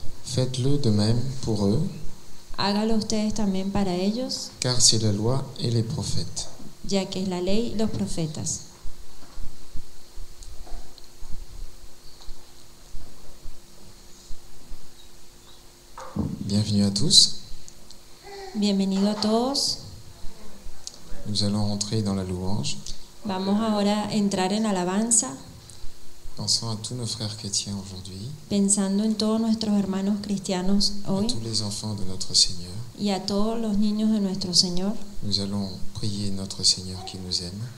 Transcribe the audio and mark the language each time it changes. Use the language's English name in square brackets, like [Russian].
[French] Faites-le de même pour eux. [Spanish] Hágalo ustedes también para ellos. [French] Car c'est la loi et les prophètes. [Spanish] Ya que es la ley y los profetas. [French] Bienvenue à tous. [Spanish] Bienvenido a todos. [French] Nous allons entrer dans la louange. [Spanish] Vamos ahora a entrar en alabanza. [French] Pensons à tous nos frères chrétiens aujourd'hui. [Spanish] Pensando en todos nuestros hermanos cristianos hoy. [French] À tous les enfants de notre Seigneur. [Spanish] Y a todos los niños de nuestro Señor. [French] Nous allons prier notre Seigneur qui nous aime.